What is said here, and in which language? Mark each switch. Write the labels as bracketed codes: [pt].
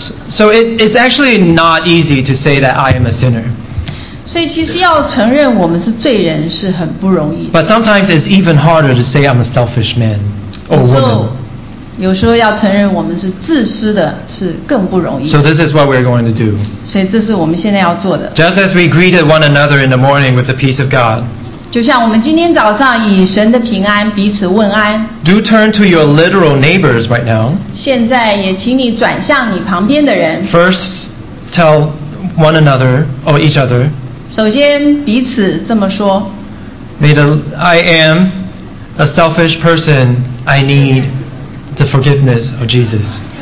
[en] So it's actually not easy to say that I am a sinner. [zh] 所以其实要承认我们是罪人是很不容易的。 [en] But sometimes it's even harder to say I'm a selfish man or woman. [zh] 有时候要承认我们是自私的是更不容易。 [en] So this is what we're going to do. [zh] 所以这是我们现在要做的。 [en] Just as we greeted one another in the morning with the peace of God. [zh] 就像我们今天早上以神的平安彼此问安。 [en] Do turn to your literal neighbors right now. [zh] 现在也请你转向你旁边的人。 [en] First, tell one another or each other. [zh] 首先彼此这么说。 [en] I am a selfish person. I need the forgiveness of Jesus.